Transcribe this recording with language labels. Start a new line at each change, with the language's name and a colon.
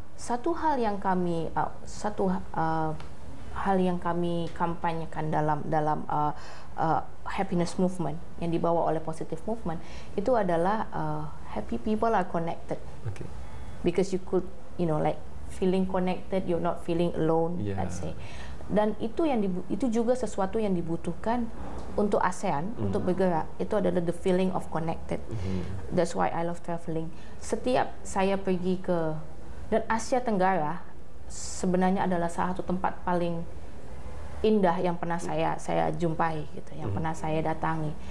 Indonesian: Satu hal yang kami kampanyekan dalam happiness movement yang dibawa oleh positive movement itu adalah
English: happy people are connected. Okay. Because you could, you know, like feeling connected, you're not feeling alone, yeah. Let's say.
Indonesian: Dan itu juga sesuatu yang dibutuhkan untuk ASEAN untuk bergerak. Itu adalah
English: the feeling of connected. That's why I love traveling.
Indonesian: Setiap saya pergi ke dan Asia Tenggara sebenarnya adalah salah satu tempat paling indah yang pernah saya jumpai gitu, yang pernah saya datangi.